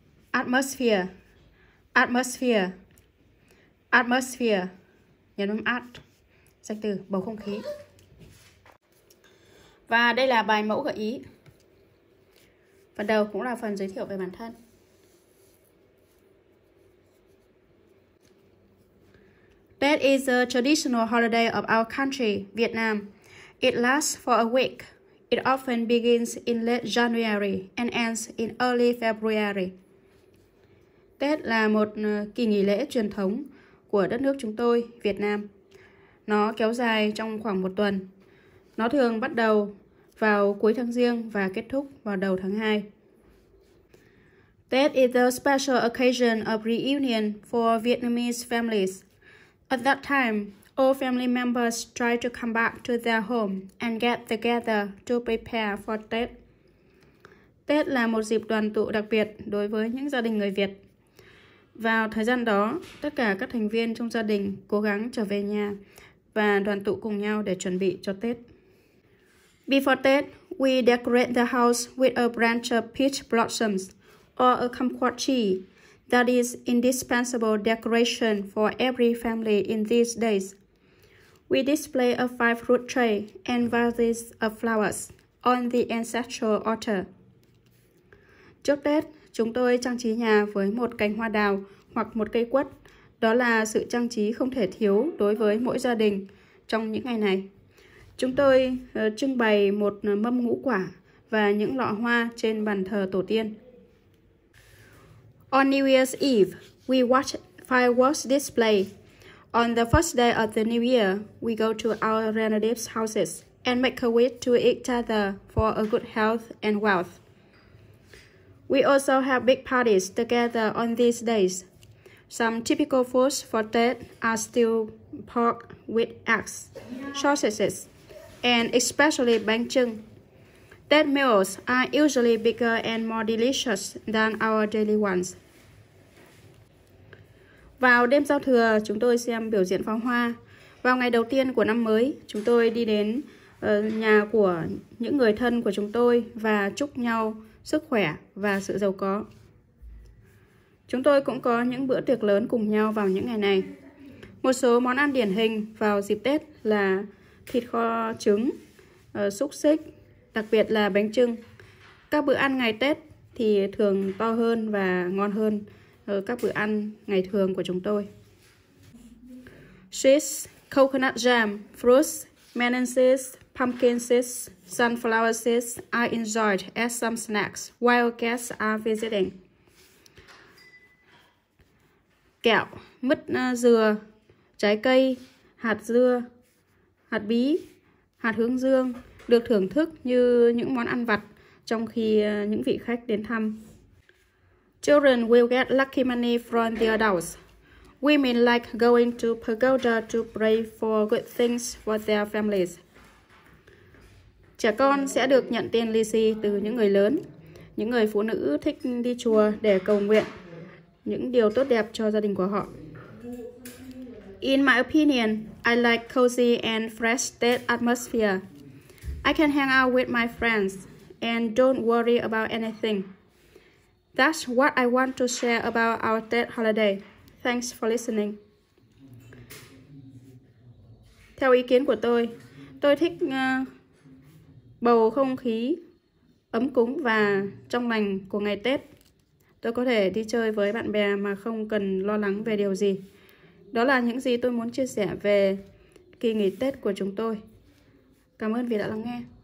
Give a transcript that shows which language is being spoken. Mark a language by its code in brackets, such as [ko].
[vi] Atmosphere, atmosphere, atmosphere, nhấn mâm at, danh từ bầu không khí. Và đây là bài mẫu gợi ý. Phần đầu cũng là phần giới thiệu về bản thân. [en] That is a traditional holiday of our country, Vietnam. It lasts for a week. It often begins in late January and ends in early February. [vi] Tết là một kỳ nghỉ lễ truyền thống của đất nước chúng tôi, Việt Nam. Nó kéo dài trong khoảng một tuần. Nó thường bắt đầu vào cuối tháng Giêng và kết thúc vào đầu tháng 2. [en] Tết is a special occasion of reunion for Vietnamese families. At that time, all family members try to come back to their home and get together to prepare for Tết. [vi] Tết là một dịp đoàn tụ đặc biệt đối với những gia đình người Việt. Vào thời gian đó, tất cả các thành viên trong gia đình cố gắng trở về nhà và đoàn tụ cùng nhau để chuẩn bị cho Tết. [en] Before Tết, we decorate the house with a branch of peach blossoms or a kumquat tree. That is indispensable decoration for every family in these days. We display a five-fruit tray and vases of flowers on the ancestral altar. [vi] Trước Tết, chúng tôi trang trí nhà với một cành hoa đào hoặc một cây quất. Đó là sự trang trí không thể thiếu đối với mỗi gia đình trong những ngày này. Chúng tôi trưng bày một mâm ngũ quả và những lọ hoa trên bàn thờ tổ tiên. [en] On New Year's Eve, we watch fireworks display. On the first day of the New Year, we go to our relatives' houses and make a wish to each other for a good health and wealth. We also have big parties together on these days. Some typical foods for Tết are still pork with eggs, sausages, and especially bánh chưng. Tết meals are usually bigger and more delicious than our daily ones. [vi] Vào đêm giao thừa, chúng tôi xem biểu diễn pháo hoa. Vào ngày đầu tiên của năm mới, chúng tôi đi đến nhà của những người thân của chúng tôi và chúc nhau sức khỏe và sự giàu có. Chúng tôi cũng có những bữa tiệc lớn cùng nhau vào những ngày này. Một số món ăn điển hình vào dịp Tết là thịt kho trứng, xúc xích, đặc biệt là bánh chưng. Các bữa ăn ngày Tết thì thường to hơn và ngon hơn các bữa ăn ngày thường của chúng tôi. [en] Sweets, coconut jam, fruits, melon seeds, pumpkin seeds, sunflower seeds are enjoyed as some snacks while guests are visiting. [vi] Kẹo, mứt dừa, trái cây, hạt dưa, hạt bí, hạt hướng dương được thưởng thức như những món ăn vặt trong khi những vị khách đến thăm. [en] Children will get lucky money from the adults. Women like going to pagoda to pray for good things for their families. [vi] Trẻ con sẽ được nhận tiền lì xì từ những người lớn. Những người phụ nữ thích đi chùa để cầu nguyện những điều tốt đẹp cho gia đình của họ. [en] In my opinion, I like cozy and fresh state atmosphere. I can hang out with my friends and don't worry about anything. That's what I want to share about our Tết holiday. Thanks for listening. [vi] Theo ý kiến của tôi thích bầu không khí ấm cúng và trong lành của ngày Tết, tôi có thể đi chơi với bạn bè mà không cần lo lắng về điều gì. Đó là những gì tôi muốn chia sẻ về kỳ nghỉ Tết của chúng tôi. Cảm ơn vì đã lắng nghe.